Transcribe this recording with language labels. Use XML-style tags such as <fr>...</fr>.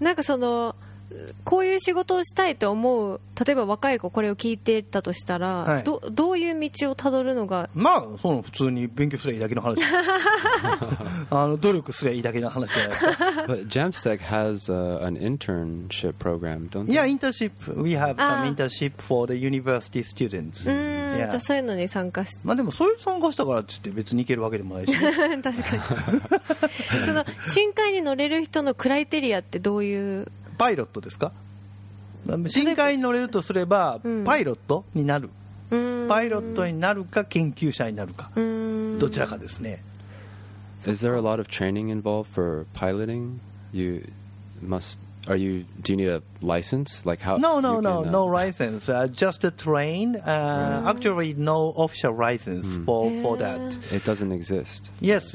<ja>なんかそのこういう仕事をしたいと思う、例えば若い子これを聞いてたとしたら、はい、どういう道をたどるのが、まあその普通に勉強すればいいだけの話努力すればいいだけの話じゃないですか。</ja> <en>Jamstack has an internship program, don't they? Yeah, internship. We have some internship for the university students.</en> <ja>じゃあそういうのに参加して、まあでもそういうの参加したからって言って別に行けるわけでもないし確かにその深海に乗れる人のクライテリアってどういう、パイロットですか。深海に乗れるとすれば、パイロットになる、パイロットになるか研究者になるか、どちらかですね。</ja> <en>Is there a lot of training involved for piloting? You must, are you, do you need a license? Like how? No license. Just a train. Actually, no official license for that. It doesn't exist. Yes.</en>